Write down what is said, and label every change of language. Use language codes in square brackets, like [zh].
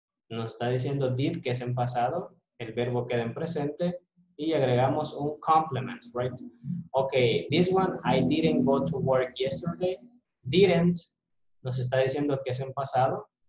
[es] Nos está diciendo did, que es en pasado. El verbo queda en presente. Y agregamos un complement, right? [en] Okay, this one, I didn't go to work yesterday. [es] Didn't, nos está diciendo que es en pasado.